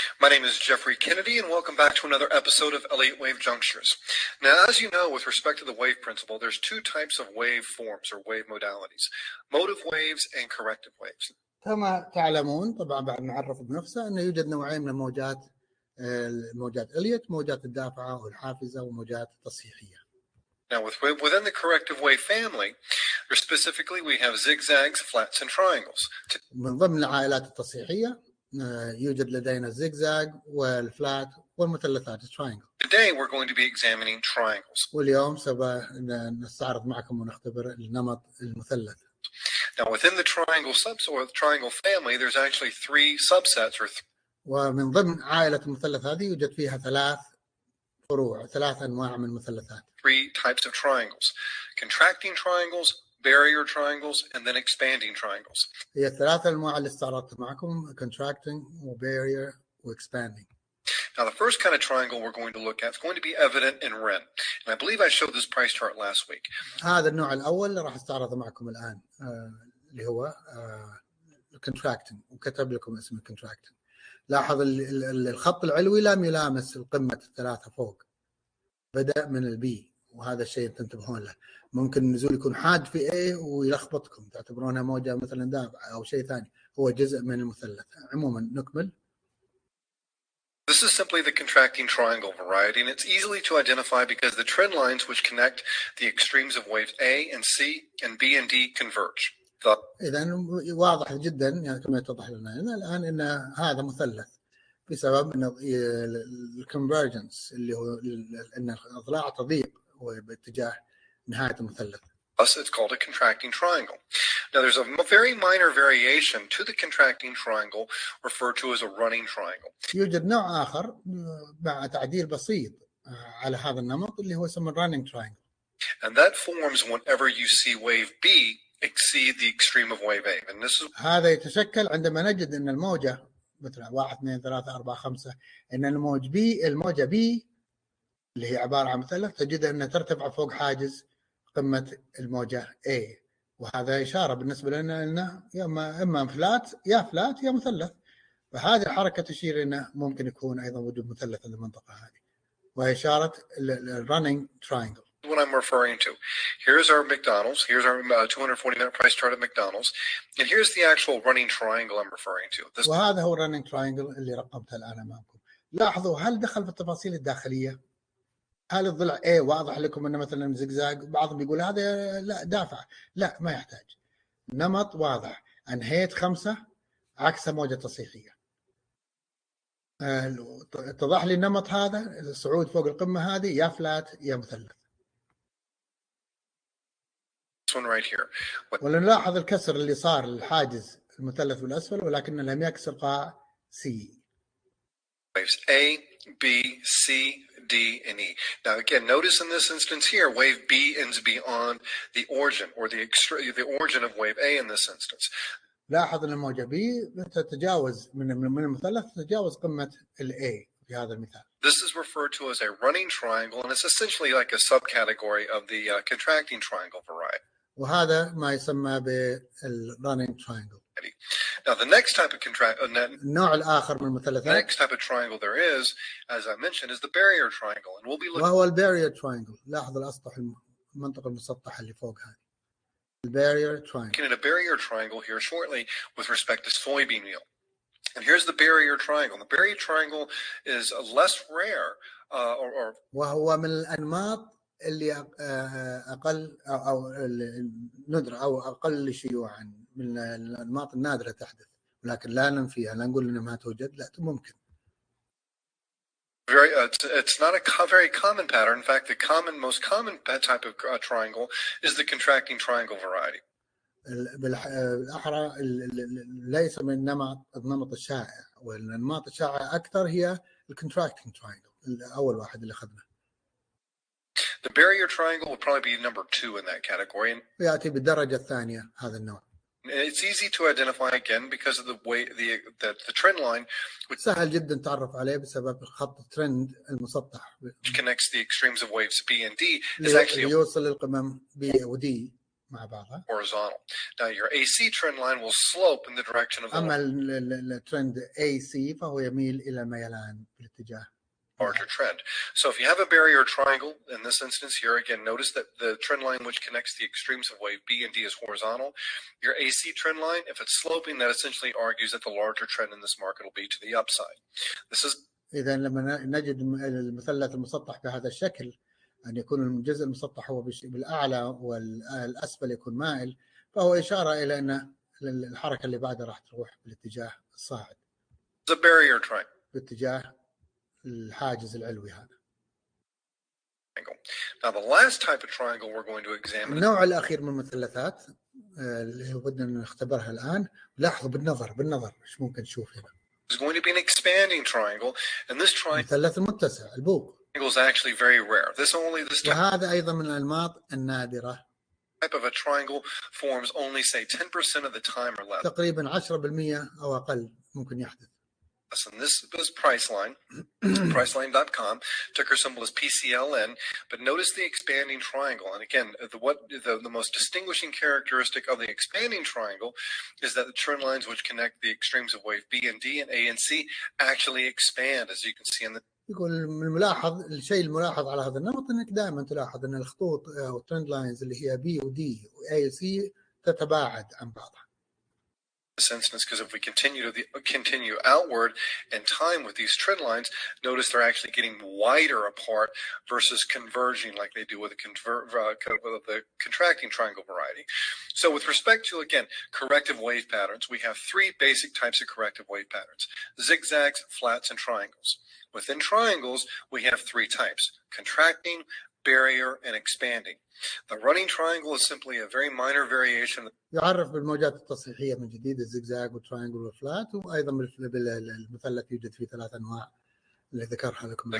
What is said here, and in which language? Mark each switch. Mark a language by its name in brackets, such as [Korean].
[English] My name is Jeffrey Kennedy and welcome back to another episode of Elliott Wave Junctures. Now, as you know, with respect to the wave principle, there's two types of wave forms or wave modalities, motive waves and corrective waves. [Arabic] كما تعلمون طبعا بعد ما عرف بنفسه انه يوجد نوعين من الموجات، موجات إليوت، موجات الدافعة والحافزة وموجات التصحيحية. [English] Now within the corrective wave family, specifically we have zigzags, flats and triangles. [Arabic] من ضمن العائلات التصحيحية يوجد لدينا الزيجزاج والفلات والمثلثات triangle. [English] Today we're going to be examining triangles. [Arabic] واليوم سوف نستعرض معكم ونختبر النمط المثلث. [English] Now within the triangle subset or the triangle family, there's actually three subsets or. [Arabic] ومن ضمن عائلة المثلث هذه يوجد فيها ثلاث فروع، ثلاث أنواع من المثلثات. [English] Three types of triangles: contracting triangles, barrier triangles, and then expanding triangles. [Arabic] هي الثلاث أنواع اللي استعرضت معكم: [English] contracting, or barrier, or expanding. Now the first kind of triangle we're going to look at is going to be evident in REN. And I believe I showed this price chart last week. [Arabic] هذا النوع الأول اللي راح استعرضه معكم الآن اللي هو contracting، وكتب لكم اسم contracting. لاحظ الخط العلوي لم يلامس القمة الثلاثة فوق. بدأ من البي، وهذا الشيء تنتبهون له. ممكن النزول يكون حاد في A ويلخبطكم، تعتبرونها موجة مثلا دافعة أو شيء ثاني، هو جزء من المثلث. عموما نكمل. [English] This is simply the contracting triangle variety and it's easily to identify because the trend lines which connect the extremes of waves A and C and B and D converge. [Arabic] إذا واضح جدا يعني كما يتضح لنا الآن أن هذا مثلث بسبب أن الconvergence اللي هو أن الأضلاع تضيق باتجاه نهاية المثلث. [English] Thus it's called a contracting triangle. Now there's a very minor variation to the contracting triangle referred to as a running triangle. [Arabic] يوجد نوع آخر مع تعديل بسيط على هذا النمط اللي هو يسمى running triangle. [English] And that forms whenever you see wave B exceed the extreme of wave A. And this is [Arabic] هذا يتشكل عندما نجد أن الموجة مثلا 1 2 3 4 5 أن الموج B، الموجة B اللي هي عبارة عن مثلث، تجد أنها ترتفع فوق حاجز قمة الموجة A، وهذا إشارة بالنسبة لنا أنه إما فلات، يا فلات يا مثلث. فهذه الحركة تشير أنه ممكن يكون أيضا وجود مثلث في المنطقة هذه، وهي إشارة الرننج تريانجل. [English] What I'm referring to. Here's our McDonald's. Here's our 240-minute price chart at McDonald's, and here's the actual running triangle I'm referring to. This. [Arabic] وهذا هو running triangle اللي رقمته الآن أمامكم. لاحظوا هل دخل في التفاصيل الداخلية؟ هل الضلع A واضح لكم أنه مثلاً زجزاج؟ بعضهم يقول هذا لا دافع. لا ما يحتاج. نمط واضح. أنهيت خمسة عكس موجة تصحيحية. اتضح لي النمط هذا، الصعود فوق القمة هذه يا فلات يا مثلث. [English] This one right here. [Arabic] ولنلاحظ الكسر اللي صار للحاجز المثلث بالأسفل ولكن لم يكسر قاع C. [English] Waves A, B, C, D, and E. Now again, notice in this instance here, wave B ends beyond the origin or the origin of wave A in this instance. [Arabic] لاحظ أن الموجة B تتجاوز من المثلث تتجاوز قمة ال A في هذا المثال. [English] This is referred to as a running triangle, and it's essentially like a subcategory of the contracting triangle variety. [Arabic] وهذا ما يسمى بالرننج تريانجل. [English] Now the next type of contract, [Arabic] النوع الآخر من المثلثات. [English] Next type of triangle there is, as I mentioned, is the barrier triangle, and we'll be looking. [Arabic] وهو البارير تريانجل. لاحظ الأسطح، المنطقة المسطحة اللي فوق هذه. البارير تريانجل. [English] Looking at a barrier triangle here shortly with respect to soybean meal. And here's the barrier triangle. The barrier triangle is less rare, [Arabic] وهو من الأنماط اللي اقل او الندره او اقل شيوعا من الانماط النادره تحدث، لكن لا ننفيها، لا نقول انها ما توجد، لا ممكن. [English] Very, it's not a very common pattern. In fact, the common, most common type of triangle is the contracting triangle variety. [Arabic] بالأحرى ليس من النمط الشائع، والأنماط الشائعة أكثر هي الـ contracting triangle، الأول واحد اللي أخذناه. [English] The barrier triangle will probably be number two in that category. [Arabic] يأتي بالدرجة الثانية هذا النوع. [English] It's easy to identify again because of the way the trend line, which [Arabic] سهل جدا تعرف عليه بسبب خط الترند المسطح. [English] Which connects the extremes of waves B and D is actually [Arabic] يوصل القمم B و D مع بعضها. [English] Horizontal. Now your AC trend line will slope in the direction of. [Arabic] أما الترند AC فهو يميل إلى ميلان بالاتجاه. [English] Larger trend. So if you have a barrier triangle in this instance here, again, notice that the trend line which connects the extremes of wave B and D is horizontal. Your AC trend line, if it's sloping, that essentially argues that the larger trend in this market will be to the upside. This is. [Arabic] إذا لما نجد المثلث المسطح بهذا الشكل أن يكون الجزء المسطح هو بالأعلى والأسفل يكون مائل، فهو إشارة إلى أن الحركة اللي بعدها راح تروح بالاتجاه الصاعد. [English] The barrier triangle. [Arabic] باتجاه الحاجز العلوي هذا. [English] Now the last type of triangle we're going to examine. [Arabic] النوع الأخير من المثلثات اللي بدنا نختبرها الآن. لاحظوا بالنظر إيش ممكن نشوف هنا. [English] It's going to be an expanding triangle, and this triangle. [Arabic] المثلث المتسع البوق. [English] Triangle is actually very rare. This only this type. [Arabic] وهذا أيضا من الأنماط النادرة. [English] Type of a triangle forms only say 10% of the time or less. [Arabic] تقريبا 10% أو أقل ممكن يحدث. [English] And this is Priceline, Priceline.com, ticker symbol is PCLN. But notice the expanding triangle. And again, the most distinguishing characteristic of the expanding triangle is that the trend lines which connect the extremes of wave B and D and A and C actually expand, as you can see in the. [Arabic] يقول الملاحظ الشيء الملاحظ على هذا النمط إنك دائما تلاحظ أن الخطوط أو trend lines اللي هي B و D و A و C تتباعد عن بعضها. [English] This instance, because if we continue outward in time with these trend lines, notice they're actually getting wider apart versus converging like they do with the contracting triangle variety. So with respect to, again, corrective wave patterns, we have three basic types of corrective wave patterns: zigzags, flats, and triangles. Within triangles, we have three types: contracting, barrier, and expanding. The running triangle is simply a very minor variation. [Arabic] يعرف بالموجات التصحيحية من جديد الزجزاج والتراينجل والفلات، وأيضا بالمثلث يوجد فيه ثلاث أنواع اللي ذكرها لكم.